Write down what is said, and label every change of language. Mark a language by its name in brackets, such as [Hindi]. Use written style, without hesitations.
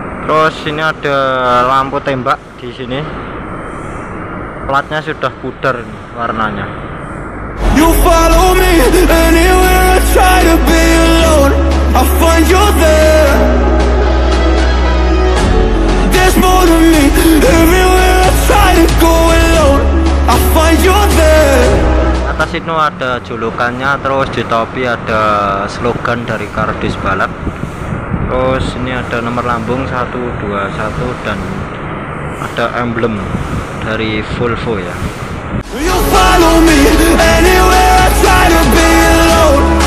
[Indonesian] Terus ini ada lampu tembak di sini. Platnya sudah pudar ini warnanya. [English] You follow me anywhere I try to be alone. I find you there. There's more to me. Everywhere I try to go alone, I find you there. [Indonesian] Atas itu ada julukannya, terus di topi ada slogan dari Kardus Balap. Terus ini ada nomor lambung 121 dan ada emblem dari Volvo ya. [English] You follow me anywhere I try to be alone.